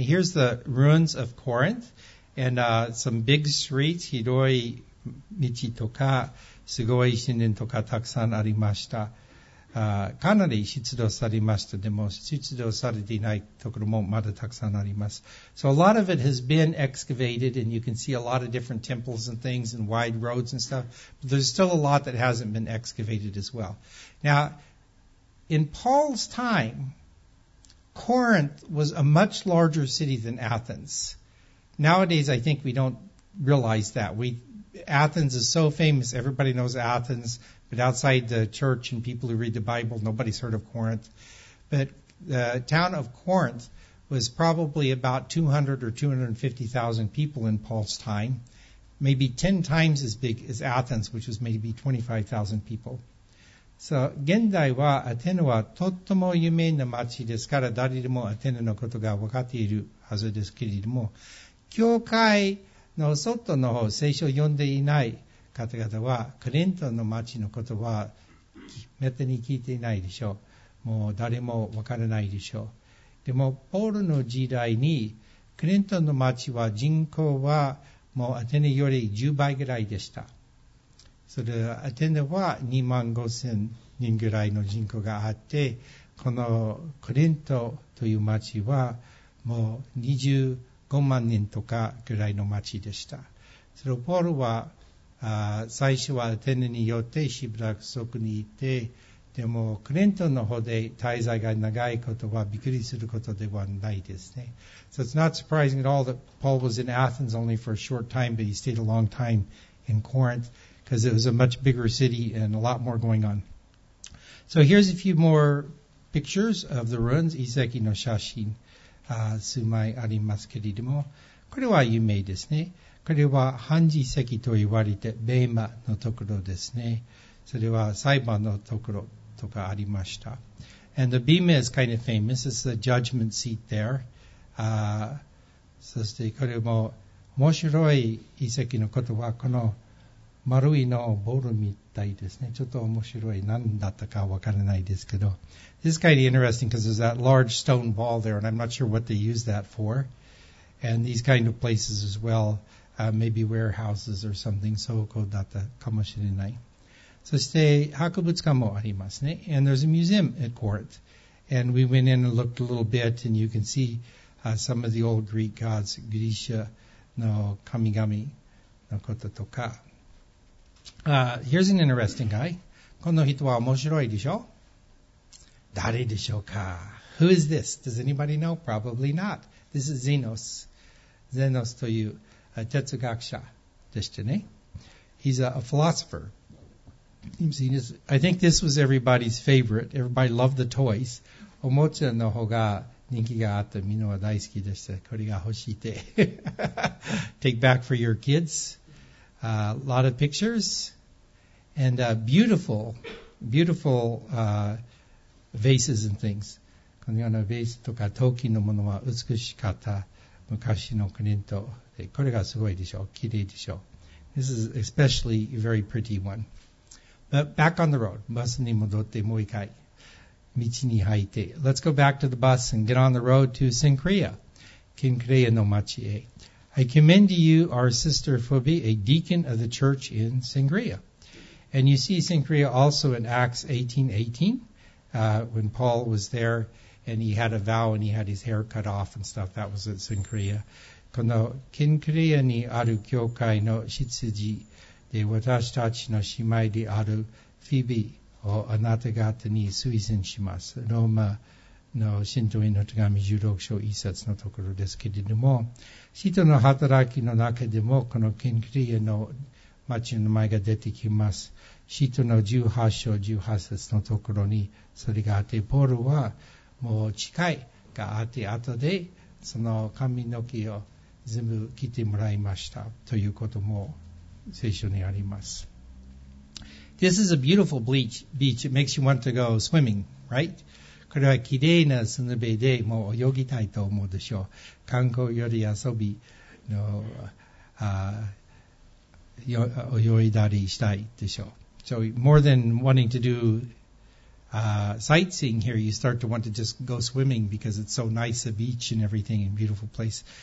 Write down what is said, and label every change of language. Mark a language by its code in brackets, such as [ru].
[en] Here's the ruins of Corinth, and some big streets, [ja] 広い道とか、すごい神殿とかたくさんありました。かなり出土されました。でも出土されていないところもまだたくさんあります。 [en] So a lot of it has been excavated and you can see a lot of different temples and things and wide roads and stuff. But there's still a lot that hasn't been excavated as well. Now, in Paul's time, Corinth was a much larger city than Athens. Nowadays, I think we don't realize that. Athens is so famous. Everybody knows Athens. But outside the church and people who read the Bible, nobody's heard of Corinth. But the town of Corinth was probably about 200 or 250,000 people in Paul's time, maybe 10 times as big as Athens, which was maybe 25,000 people. [ja] So, 現代はアテネはとっても有名な町ですから、誰でもアテネのことが分かっているはずですけれども、教会の外の方、聖書を読んでいない方々はクリントの町のことはめったに聞いていないでしょう。もう誰もわからないでしょう。でもポールの時代にクリントの町は人口はもうアテネより10倍ぐらいでした。それアテネは2万5000人ぐらいの人口があって、このクリントという町はもう25万人とかぐらいの町でした。それポールは最初はアテネによってしばらく不足にいて、でもクリントンの方で滞在が長いことはびっくりすることではないですね。 [en] So it's not surprising at all that Paul was in Athens only for a short time, but he stayed a long time in Corinth because it was a much bigger city and a lot more going on. So here's a few more pictures of the ruins. [ja] 遺跡の写真数枚ありますけれども、これは有名ですね。これは判事席と言われてベーマのところですね。それは裁判のところとかありました。 [en] And the Bema is kind of famous. It's the judgment seat there. [ja] そしてこれも面白い遺跡のことはこの丸いのボールみたいですね。ちょっと面白い。何だったかわからないですけど。 [en] This is kind of interesting because there's that large stone ball there and I'm not sure what they use that for. And these kind of places as well. Maybe warehouses or something, so called [ja] だったかもしれない。そして博物館もありますね。 [en] And there's a museum at Corinth. And we went in and looked a little bit, and you can see some of the old Greek gods, Grisha [ja] の神々のこととか。 [en] Here's an interesting guy. [ja] この人は面白いでしょ？誰でしょうか？ [en] Who is this? Does anybody know? Probably not. This is Zenos. [ja] Zenos という哲学者でしたね。 [en] He's a philosopher. I think this was everybody's favorite. Everybody loved the toys. [ja] おもちゃの方が人気があって、みんなは大好きでした。これが欲しいって。 [en] Take back for your kids. A lot of pictures. And beautiful vases and things. [ja] このようなベースとか陶器のものは美しかった。昔のクリント。これがすごいでしょう。綺麗でしょう。 [en] This is especially a very pretty one. But back on the road. [ja] バスに戻ってもう一回。道に入って。 [en] Let's go back to the bus and get on the road to Cenchrea. Cenchrea [ja] の町へ。 [en] I commend to you our sister Phoebe, a deacon of the church in Cenchrea. And you see Cenchrea also in Acts 18:18, when Paul was there and he had a vow and he had his hair cut off and stuff. That was at Cenchrea. [ja] このケンクレアにある教会の執事で私たちの姉妹であるフィビをあなた方に推薦します。ローマの信徒への手紙16章1節のところですけれども、使徒の働きの中でもこのキンクリエの町の名前が出てきます。使徒の18章18節のところにそれがあって、ポールはもう誓いがあって、後でその髪の毛を全部切ってもらいましたということも聖書にあります。 [en] This is a beautiful beach. It makes you want to go swimming, right? [ja] これはきれいな砂辺でもう泳ぎたいと思うでしょう。観光より遊びの泳いだりしたいでしょう。 [en] So more than wanting to do sightseeing here, you start to want to just go swimming because it's so nice, a beach and everything, and beautiful place.